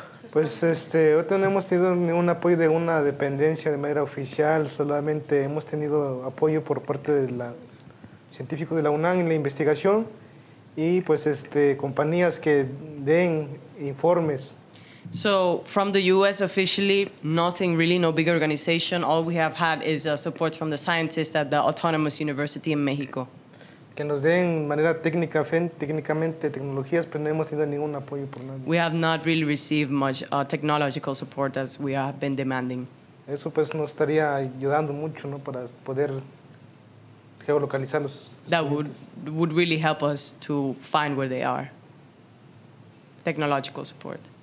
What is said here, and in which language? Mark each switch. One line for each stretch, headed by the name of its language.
Spanish: Pues no hemos tenido ningún apoyo de una dependencia de manera oficial, solamente hemos tenido apoyo por parte de la científico de la UNAM en la investigación y pues compañías que den informes.
English: So from the U.S. officially, nothing really, no big organization. All we have had is support from the scientists at the Autonomous University in Mexico.
Spanish: Que nos den manera técnica, técnicamente tecnologías, pero no hemos tenido ningún apoyo por nada.
English: We have not really received much technological support as we have been demanding.
Spanish: Eso pues nos estaría ayudando mucho, ¿no? Para poder geolocalizarlos.
English: That would really help us to find where they are. Technological support.